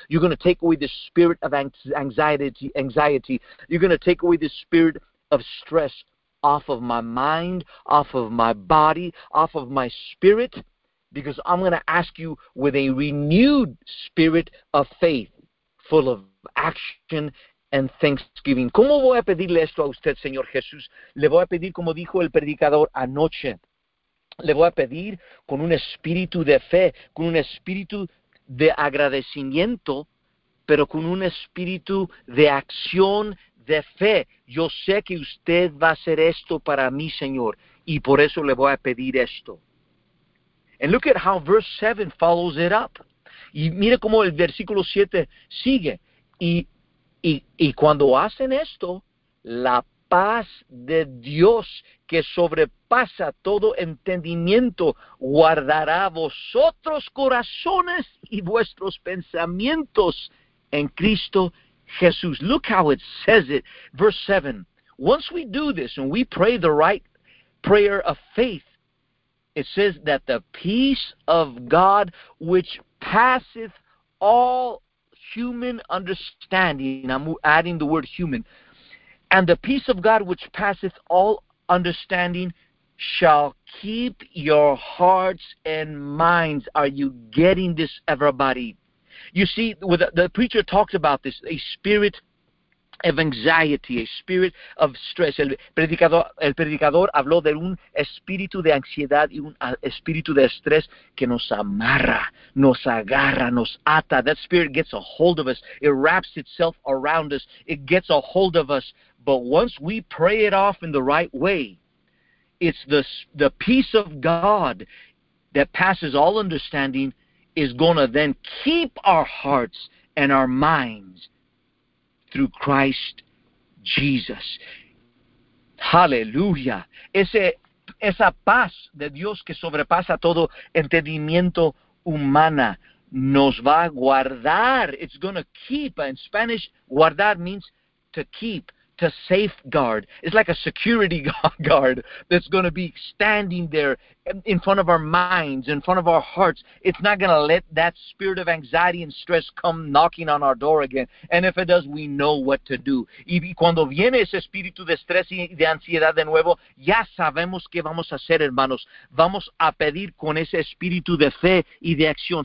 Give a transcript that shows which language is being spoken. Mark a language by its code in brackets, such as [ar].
[en] You're going to take away this spirit of anxiety. You're going to take away this spirit of stress off of my mind, off of my body, off of my spirit, because I'm going to ask you with a renewed spirit of faith, full of action and thanksgiving. [es] ¿Cómo voy a pedirle esto a usted, Señor Jesús? Le voy a pedir, como dijo el predicador anoche, le voy a pedir con un espíritu de fe, con un espíritu de agradecimiento, pero con un espíritu de acción de fe. Yo sé que usted va a hacer esto para mí, Señor, y por eso le voy a pedir esto. [en] And look at how verse 7 follows it up. [es] Y mire cómo el versículo 7 sigue. Y cuando hacen esto, la paz de Dios que sobrepasa todo entendimiento guardará vosotros corazones y vuestros pensamientos en Cristo Jesús. [en] Look how it says it. Verse 7. Once we do this and we pray the right prayer of faith, it says that the peace of God which passeth all human understanding, I'm adding the word human, and the peace of God which passeth all understanding shall keep your hearts and minds. Are you getting this, everybody? You see, with the preacher talked about this, a spirit of anxiety, a spirit of stress. [es] El predicador habló de un espíritu de ansiedad y un espíritu de estrés que nos amarra, nos agarra, nos ata. [en] That spirit gets a hold of us. It wraps itself around us. It gets a hold of us. But once we pray it off in the right way, it's the peace of God that passes all understanding is going to then keep our hearts and our minds through Christ Jesus. Hallelujah. [es] Esa paz de Dios que sobrepasa todo entendimiento humana nos va a guardar. [en] It's going to keep. In Spanish, guardar means to keep, to safeguard. It's like a security guard that's going to be standing there in front of our minds, in front of our hearts. It's not going to let that spirit of anxiety and stress come knocking on our door again. And if it does, we know what to do. [es] Y cuando viene ese espíritu de estrés y de ansiedad de nuevo, ya sabemos qué vamos a hacer, hermanos. Vamos a pedir con ese espíritu de fe y de acción.